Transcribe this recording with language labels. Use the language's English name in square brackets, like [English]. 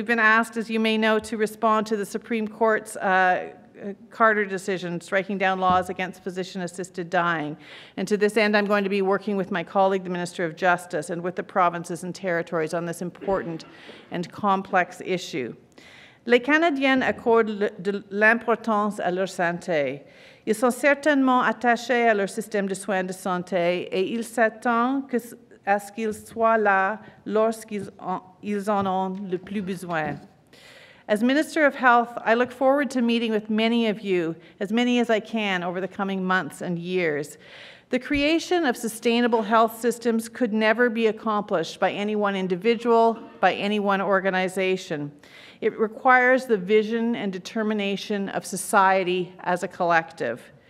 [English] We've been asked, as you may know, to respond to the Supreme Court's Carter decision, striking down laws against physician-assisted dying. And to this end, I'm going to be working with my colleague, the Minister of Justice, and with the provinces and territories on this important and complex issue. [French] Les Canadiens accordent de l'importance à leur santé. Ils sont certainement attachés à leur système de soins de santé et ils s'attendent à ce qu'ils soient là lorsqu'ils en ont le plus besoin. [English] As Minister of Health, I look forward to meeting with many of you, as many as I can, over the coming months and years. The creation of sustainable health systems could never be accomplished by any one individual, by any one organization. It requires the vision and determination of society as a collective.